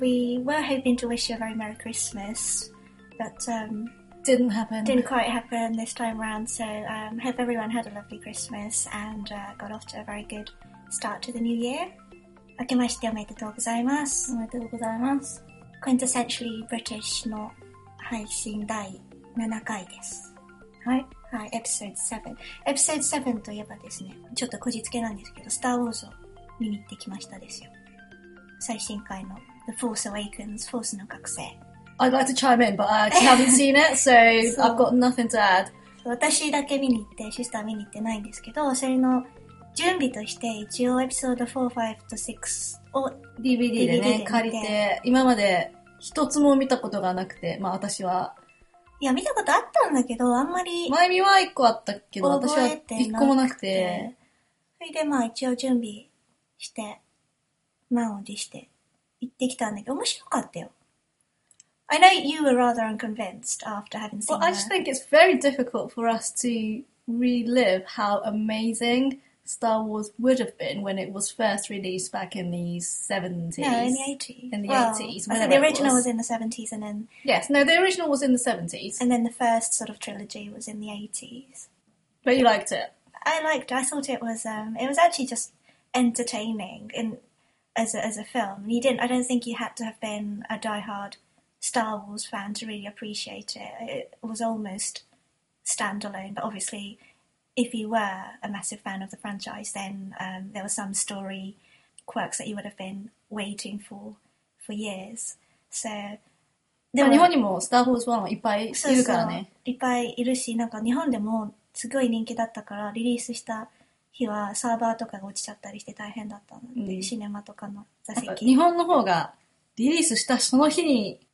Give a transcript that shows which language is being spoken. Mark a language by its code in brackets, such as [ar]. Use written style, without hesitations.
[en] We were hoping to wish you a very Merry Christmas, but, Didn't happen. Didn't quite happen this time around, so hope everyone had a lovely Christmas and got off to a very good start to the new year. [ja] 明けましておめでとうございます。おめでとうございます。 Quintessentially British の配信第7回です。はい。はい、Episode 7。 Episode 7といえばですね、ちょっとこじつけなんですけど、スターウォーズを見に行ってきましたですよ。最新回の The Force Awakens、フォースの覚醒。 [en] I'd like to chime in, but I actually haven't seen it, so I've got nothing to add. [ja] 私だけ見に行って、シスター見に行ってないんですけど、それの準備として一応エピソード4、5と6を DVD で、ね、借りて、今まで一つも見たことがなくて、まあ私は。いや、見たことあったんだけど、あんまり。前見は一個あったけど、私は一個もなくて。それでまあ一応準備して、満を持して行ってきたんだけど、面白かったよ。 [en] I know you were rather unconvinced after having seen Well, I just think it's very difficult for us to relive how amazing Star Wars would have been when it was first released back in the 70s. In the 80s. The original was in the 70s and then... Yes, no, the original was in the 70s. And then the first sort of trilogy was in the 80s. But you liked it. I liked it. I thought it was actually just entertaining in, as a film. You didn't, I don't think you had to have been a diehard Star Wars fan to really appreciate it. It was almost standalone, but obviously if you were a massive fan of the franchise, then there were some story quirks that you would have been waiting for years. So, [ja] 日本にもスターウォーズ1はいっぱいいるからね。そうそう、いっぱいいるし、なんか日本でもすごい人気だったから、リリースした日はサーバーとかが落ちちゃったりして大変だったので、うん、シネマとかの座席。日本の方がリリースしたその日に